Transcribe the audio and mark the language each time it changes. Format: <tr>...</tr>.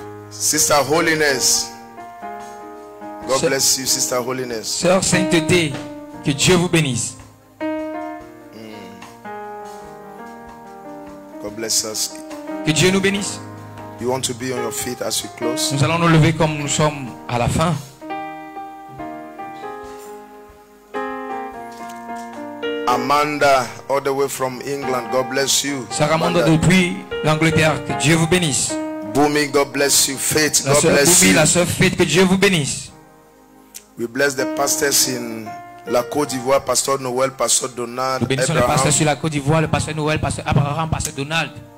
<en>Sister Holiness. God bless you, Sister Holiness.</en> <fr>Sœur Sainteté, que Dieu vous bénisse.</fr> <en>God bless us.</en> <fr>Que Dieu nous bénisse.</fr> <en>You want to be on your feet as we close?</en> <fr>Nous allons nous lever comme nous sommes à la fin.</fr> <en>Amanda, all the way from England, God bless you.</en> <fr>Sarah Amanda, depuis l'Angleterre, que Dieu vous bénisse.</fr> <en>Bumi, God bless you. Faith, God bless Bumi, you.</en> <fr>La sœur Faith, que Dieu vous bénisse.</fr> <en>We bless the pastors in La Côte d'Ivoire, Pastor Noël, Pastor Donald.</en> <fr>Nous bénissons Abraham. Les pasteurs sur la Côte d'Ivoire, le Pasteur Noël, Pasteur Abraham, Pasteur Donald.</fr>